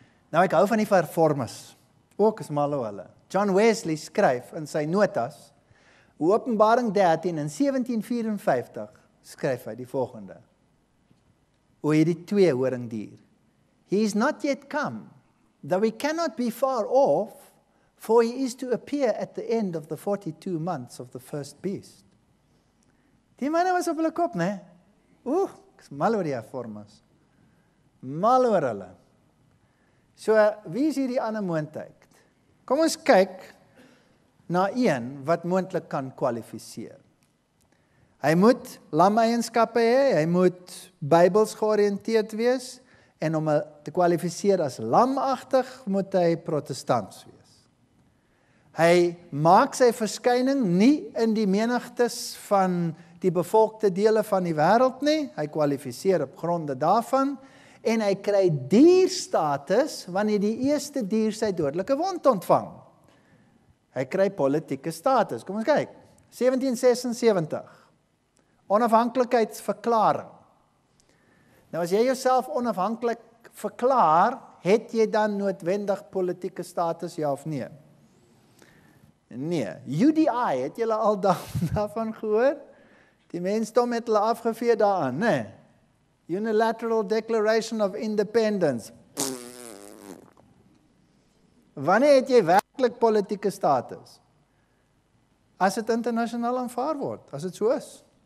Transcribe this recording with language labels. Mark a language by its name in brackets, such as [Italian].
[Afrikaans] Nou ek hou van die vervormers, ook is malo hulle. John Wesley skryf in sy notas, Openbaring 13 in 1754 skryf hy die volgende, O hierdie twee horingdier, [English] He is not yet come, though he cannot be far off, for he is to appear at the end of the 42 months of the first beast. [Afrikaans] Die manne was op hulle kop, ne? Ek is mal oor die hervormers. Mal oor hulle. So, wie is hierdie ander moontlik? Kom ons kyk na een wat moontlik kan kwalifiseer. Hy moet lam eienskappe hê, hy moet Bybels georiënteerd wees, en om te kwalifiseer as lamagtig, moet hy protestants wees. Hy maak sy verskyning nie in die menigtes van die bevolkte dele van die wêreld nie, hy kwalifiseer op gronde daarvan, en hy kry dierstatus wanneer die eerste dier sy dodelike wond ontvang. Hy kry politieke status. Kom ons kyk. 1776. Onafhanklikheidsverklaring. Nou as jy jouself onafhanklik verklaar, het jy dan noodwendig politieke status, ja of nee? Nee. UDI, het julle al daarvan gehoor? Die mensdom het hulle afgevee daaraan, nee. [English] Unilateral Declaration of Independence. [Afrikaans] Wanneer het jy werklik politieke status? As het internationaal aanvaar word, as het so is.